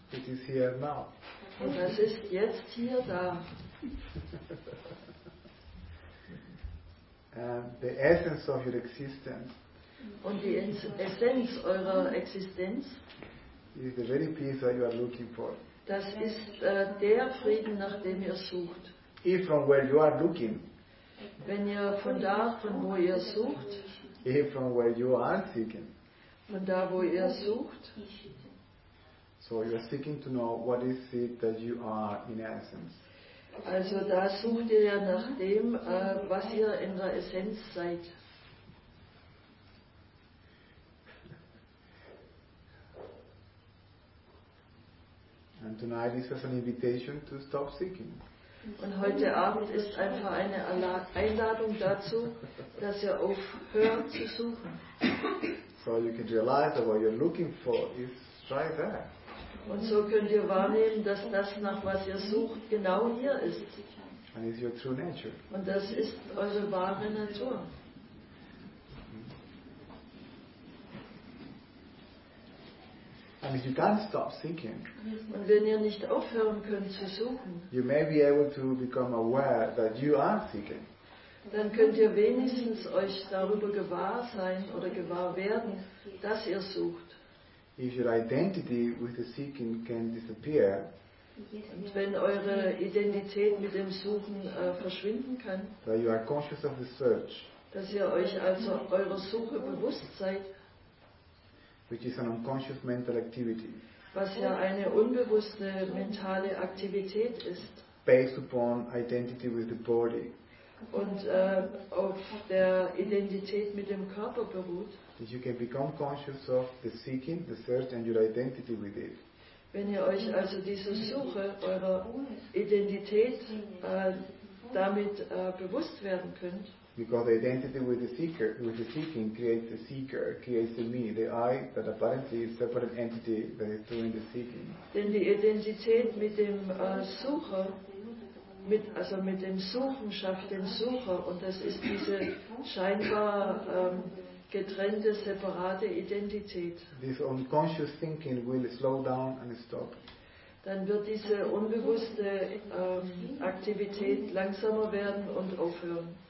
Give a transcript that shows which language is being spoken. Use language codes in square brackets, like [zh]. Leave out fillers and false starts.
[en] It is here now. [de] Und das ist jetzt hier da. [en] The essence of your existence. [de] Und die Essenz eurer Existenz. [en] Is the very peace that you are looking for. [de] Das ist der Frieden, nach dem ihr sucht. [en] If from where you are looking. [de] Wenn ihr von da, von wo ihr sucht. [en] If from where you are seeking. [de] Von da, wo ihr sucht. [en] So you are seeking to know what is it that you are in essence. [de] Also da sucht ihr ja nach dem, was ihr in der Essenz seid. [en] And tonight this is an invitation to stop seeking. [de] Und heute Abend ist einfach eine Einladung dazu, dass ihr aufhört zu suchen. [en] So you can realize that what you're looking for is right there. [de] Und so könnt ihr wahrnehmen, dass das, nach was ihr sucht, genau hier ist. [en] And it's your true nature. [de] Und das ist eure wahre Natur. [en] And if you can't stop seeking, [de] und wenn ihr nicht aufhören könnt zu suchen, [en] you may be able to become aware that you are seeking. [de] Dann könnt ihr wenigstens euch darüber gewahr sein oder gewahr werden, dass ihr sucht. [en] If your identity with the seeking can disappear, [de] und wenn eure Identität mit dem Suchen verschwinden kann, [en] that you are conscious of the search, [de] dass ihr euch also eurer Suche bewusst seid, [en] which is an unconscious mental activity. [de] Was ja eine unbewusste mentale Aktivität ist. [en] Based upon identity with the body. [de] Und auf der Identität mit dem Körper beruht. [en] You can become conscious of the seeking, the search and your identity with it. [de] Wenn ihr euch also dieser Suche, eurer Identität damit bewusst werden könnt. [en] Because the identity with the seeker, with the seeking, creates the seeker, creates the me, the I, that apparently is a separate entity that is doing the seeking. [de] Denn die Identität mit dem Sucher, mit, also mit dem Suchen, schafft den Sucher, und das ist diese scheinbar getrennte, separate Identität. [en] This unconscious thinking will slow down and stop. [de] Dann wird diese unbewusste Aktivität langsamer werden und aufhören.